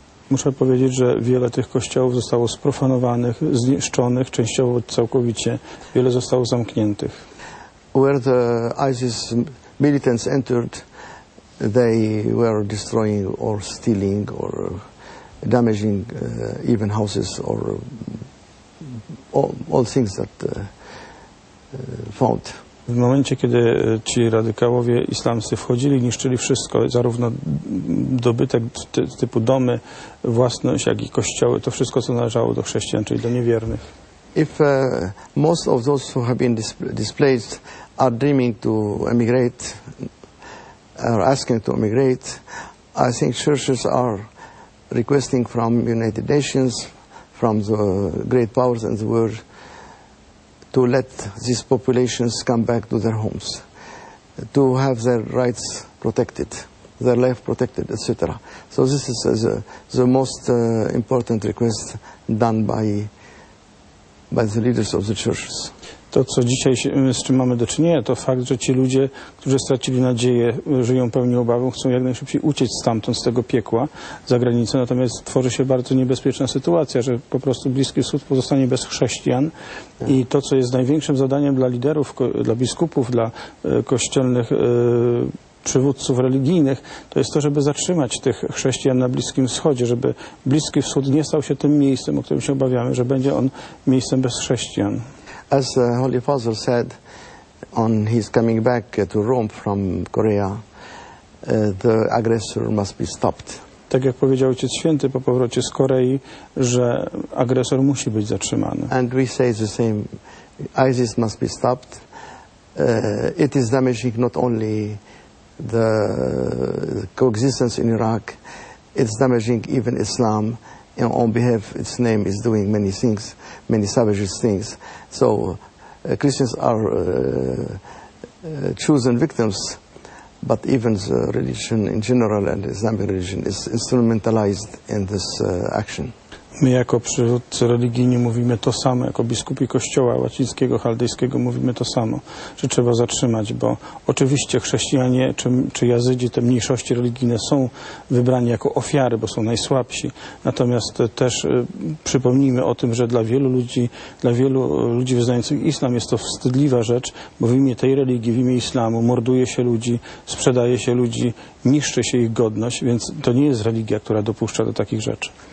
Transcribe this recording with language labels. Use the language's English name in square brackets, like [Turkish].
[Polish] Muszę powiedzieć, że wiele tych kościołów zostało sprofanowanych, zniszczonych, częściowo całkowicie. Wiele zostało zamkniętych. [English] Where the ISIS militants entered, they were destroying or stealing or damaging even houses or all things that found. [Polish] W momencie, kiedy ci radykałowie islamscy wchodzili, niszczyli wszystko, zarówno dobytek typu domy, własność, jak i kościoły, to wszystko, co należało do chrześcijan, czyli do niewiernych. [English] If most of those who have been displaced are dreaming to emigrate, are asking to emigrate, I think churches are requesting from United Nations, from the great powers in the world, to let these populations come back to their homes, to have their rights protected, their life protected, etc. So this is the most important request done by the leaders of the churches. [Polish] To, co dzisiaj z czym mamy do czynienia, to fakt, że ci ludzie, którzy stracili nadzieję, żyją pełni obawą, chcą jak najszybciej uciec stamtąd, z tego piekła, za granicę. Natomiast tworzy się bardzo niebezpieczna sytuacja, że po prostu Bliski Wschód pozostanie bez chrześcijan. I to, co jest największym zadaniem dla liderów, dla biskupów, dla kościelnych przywódców religijnych, to jest to, żeby zatrzymać tych chrześcijan na Bliskim Wschodzie, żeby Bliski Wschód nie stał się tym miejscem, o którym się obawiamy, że będzie on miejscem bez chrześcijan. [English] As the Holy Father said on his coming back to Rome from Korea, the aggressor must be stopped. [Polish] Tak jak powiedział Ojciec Święty po powrocie z Korei, że agresor musi być zatrzymany. [English] And we say the same, ISIS must be stopped, It is damaging not only the coexistence in Iraq, it's damaging even Islam, and on behalf of its name is doing many things, many savage things. So Christians are chosen victims, but even the religion in general and Islamic religion is instrumentalized in this action. [Polish] My jako przywódcy religijni mówimy to samo, jako biskupi kościoła łacińskiego, chaldejskiego mówimy to samo, że trzeba zatrzymać, bo oczywiście chrześcijanie czy jazydzi, te mniejszości religijne są wybrani jako ofiary, bo są najsłabsi. Natomiast też przypomnijmy o tym, że dla wielu ludzi wyznających islam jest to wstydliwa rzecz, bo w imię tej religii, w imię islamu morduje się ludzi, sprzedaje się ludzi, niszczy się ich godność, więc to nie jest religia, która dopuszcza do takich rzeczy.